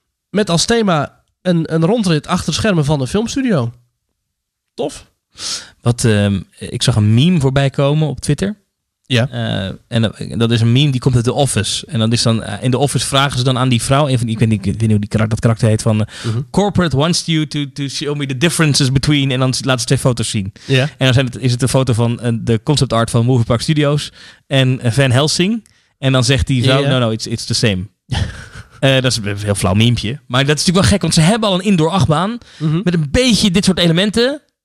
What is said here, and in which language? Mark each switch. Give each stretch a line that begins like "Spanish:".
Dutch: Met als thema een rondrit achter schermen van een filmstudio. Tof. Wat, ik zag een meme voorbij komen op Twitter. Ja. En dat is een meme die komt uit The Office. En dat is dan in The Office vragen ze dan aan die vrouw. Even, ik weet niet hoe die karakter heet. Van
English: Corporate wants you to show me the differences between.
Dutch: En dan laten ze twee foto's zien. Ja. En dan is het een foto van de concept art van Movie Park Studios. En Van Helsing. En dan zegt die vrouw, ja.
English: No, it's the same.
Dutch: dat is een heel flauw meme. Maar dat is natuurlijk wel gek, want ze hebben al een indoor achtbaan. Mm-hmm. Met een beetje dit soort elementen.